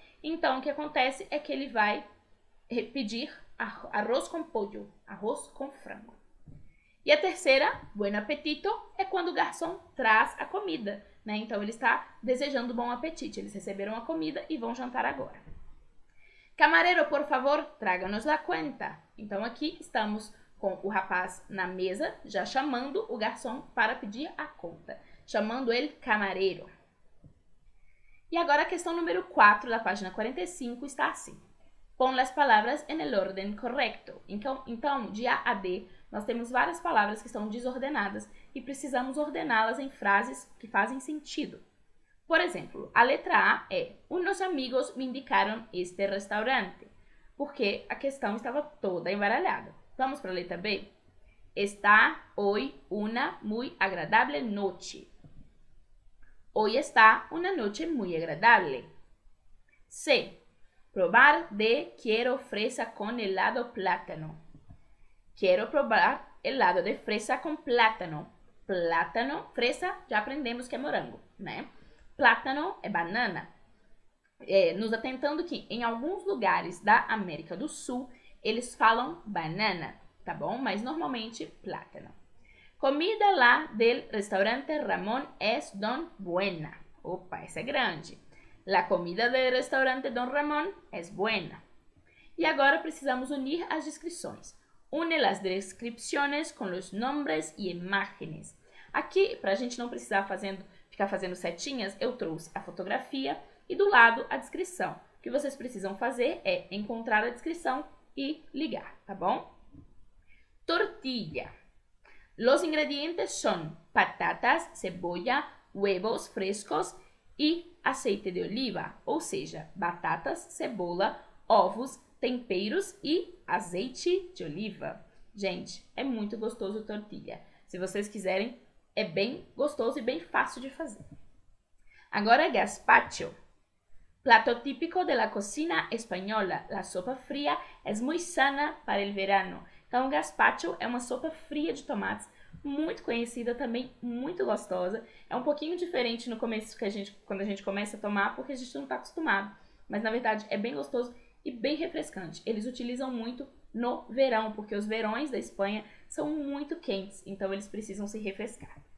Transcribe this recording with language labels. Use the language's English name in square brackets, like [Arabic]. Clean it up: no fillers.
[Portuguese] Então, o que acontece é que ele vai pedir arroz com pollo, arroz com frango. E a terceira, [Spanish] buen apetito, [Portuguese] é quando o garçom traz a comida, Né? Então ele está desejando bom apetite. Eles receberam a comida e vão jantar agora. [Spanish] Camarero, por favor, [Portuguese] traga-nos [Spanish] la cuenta. [Portuguese] Então aqui estamos com o rapaz na mesa, já chamando o garçom para pedir a conta. Chamando ele camarero. E agora a questão número 4 da página 45 está assim. [Spanish] Pon las palabras en el orden correcto. [Portuguese] Então, de A a D, nós temos várias palavras que estão desordenadas e precisamos ordená-las em frases que fazem sentido. Por exemplo, a letra A é [Spanish] Unos amigos me indicaron este restaurante. [Portuguese] Porque a questão estava toda embaralhada. Vamos para a letra B. [Spanish] Está hoy una muy agradable noche. Hoy está una noche muy agradable. C. Probar de quiero fresa con helado plátano. Quiero probar helado de fresa con plátano. [Portuguese] Plátano, fresa, já aprendemos que é morango, né? Plátano é banana. É, nos atentando que em alguns lugares da América do Sul, eles falam banana, tá bom? Mas normalmente plátano. [Spanish] Comida lá del restaurante Ramón es don buena. [Portuguese] Opa, essa é grande. [Spanish] La comida del restaurante Don Ramón es buena. [Portuguese] E agora precisamos unir as descrições. [Spanish] Une las descripciones con los nombres y imágenes. [Portuguese] Aqui, para a gente não precisar ficar fazendo setinhas, eu trouxe a fotografia e do lado a descrição. O que vocês precisam fazer é encontrar a descrição e ligar, tá bom? [Spanish] Tortilla. Los ingredientes son patatas, cebolla, huevos frescos y aceite de oliva, [Portuguese] ou seja, batatas, cebola, ovos, temperos e azeite de oliva. Gente, é muito gostoso tortilha. Se vocês quiserem, é bem gostoso e bem fácil de fazer. Agora, gazpacho. [Spanish] Plato típico de la cocina española. La sopa fría es muy sana para el verano. [Portuguese] Então, gazpacho é uma sopa fria de tomates. Muito conhecida também, muito gostosa. É um pouquinho diferente no começo que a gente, quando a gente começa a tomar, porque a gente não está acostumado. Mas na verdade é bem gostoso e bem refrescante. Eles utilizam muito no verão, porque os verões da Espanha são muito quentes, então eles precisam se refrescar.